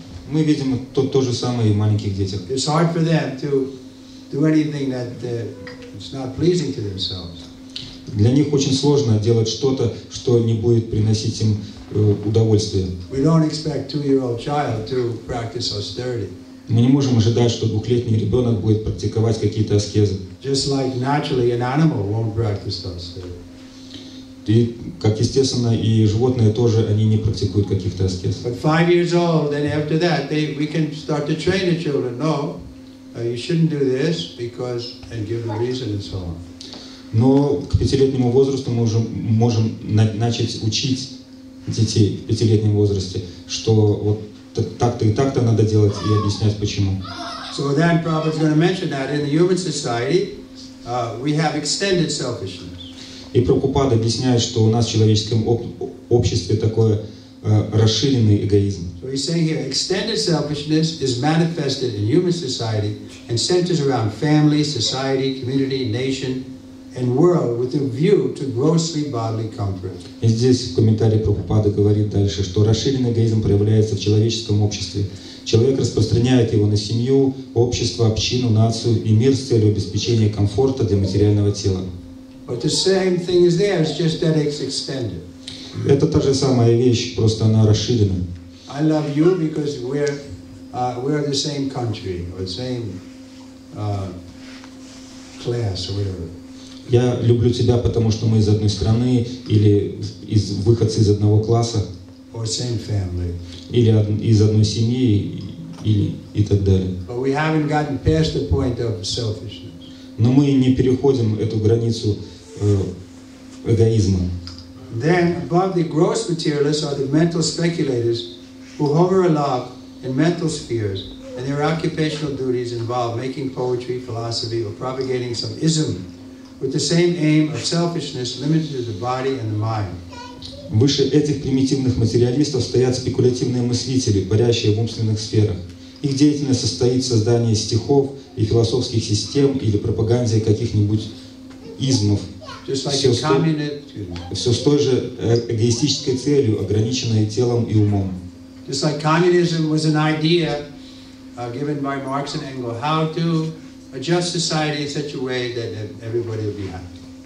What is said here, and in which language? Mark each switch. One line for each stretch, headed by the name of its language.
Russian: Мы видим то же самое и в маленьких детях.
English: It's hard for them to do anything that is not pleasing to themselves.
Russian: Для них очень сложно делать что-то, что не будет приносить им удовольствие.
English: We don't expect two-year-old child to practice austerity.
Russian: Мы не можем ожидать, что двухлетний ребенок будет практиковать какие-то аскезы.
English: Just like naturally an animal won't practice austerity.
Russian: И, как естественно, и животные тоже, они не практикуют каких-то аскез.
English: But 5 years old, and after that, we can start to train the children. No, you shouldn't do this because, and give the reason and so on.
Russian: Но к пятилетнему возрасту мы уже можем начать учить детей в пятилетнем возрасте, что вот так-то и так-то надо делать и объяснять почему.
English: So then Prabhupada's going to mention that in the human society we have extended selfishness.
Russian: И Прабхупада объясняет, что у нас в человеческом обществе такое расширенный эгоизм.
English: So he's saying here extended selfishness is manifested in human society and centers around family, society, community, nation, and world with a view to grossly bodily comfort.
Russian: И здесь в комментарии Прабхупада говорит дальше, что расширенный эгоизм проявляется в человеческом обществе. Человек распространяет его на семью, общество, общину, нацию и мир с целью обеспечения комфорта для материального тела.
English: But the same thing is there, it's just that it's extended.
Russian: Это та же самая вещь, просто она расширена.
English: I love you because we're the same country, or the same class, or whatever.
Russian: Я люблю тебя, потому что мы из одной страны или выходцы из одного класса.
English: Or same family.
Russian: Или из одной семьи и так далее.
English: But we haven't gotten past the point of selfishness.
Russian: Но мы не переходим эту границу эгоизма.
English: Then above the gross materialists are the mental speculators who hover aloft in mental spheres, and their occupational duties involve making poetry, philosophy, or propagating some ism with the same aim of selfishness limited to the body and the mind.
Russian: Выше этих примитивных материалистов стоят спекулятивные мыслители, парящие в умственных сферах. Их деятельность состоит в создании стихов и философских систем или пропаганде каких-нибудь измов. Все с той же эгоистической целью, ограниченной телом и умом.
English: Just like communism was an idea given by Marx and Engels, how to adjust society in such a way that everybody will be happy.